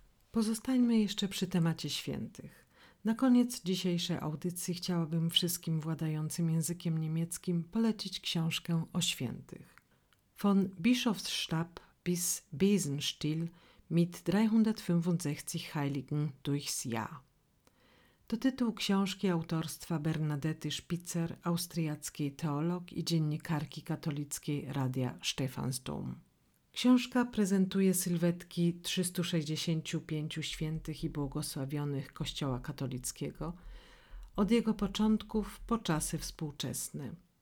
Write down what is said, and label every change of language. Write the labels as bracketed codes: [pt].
[pl] Pozostańmy jeszcze przy temacie świętych. Na koniec dzisiejszej audycji chciałabym wszystkim władającym językiem niemieckim polecić książkę o świętych. [de] Von Bischofsstab bis Besenstiel mit 365 Heiligen durchs Jahr. [pl] To tytuł książki autorstwa Bernadety Spitzer, austriackiej teolog i dziennikarki katolickiej Radia Stephansdom. Książka prezentuje sylwetki 365 świętych i błogosławionych Kościoła katolickiego od jego początków po czasy współczesne.